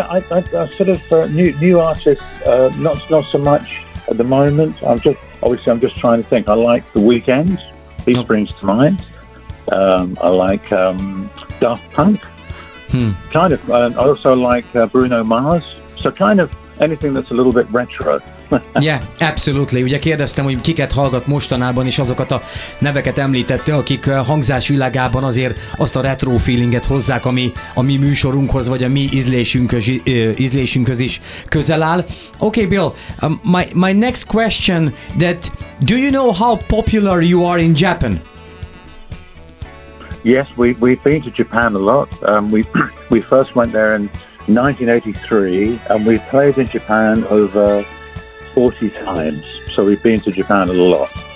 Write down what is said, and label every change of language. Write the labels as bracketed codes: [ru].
[en] I sort of new artists, not so much at the moment. I'm just trying to think. I like The Weeknd. He springs to mind. I like Daft Punk. Kind of. I also like Bruno Mars. So kind of anything that's a little bit retro. Yeah, absolutely. [hu] Ugye kérdeztem, hogy kiket hallgat mostanában, és azokat a neveket említette, akik hangzásvilágában azért azt a retro feelinget hozzák, ami a mi műsorunkhoz, vagy a mi ízlésünkhöz is közel áll. [en] Okay, Bill, my next question, that do you know how popular you are in Japan? Yes, we've been to Japan a lot. We first went there in 1983, and we've played in Japan over 40 times. So we've been to Japan a lot.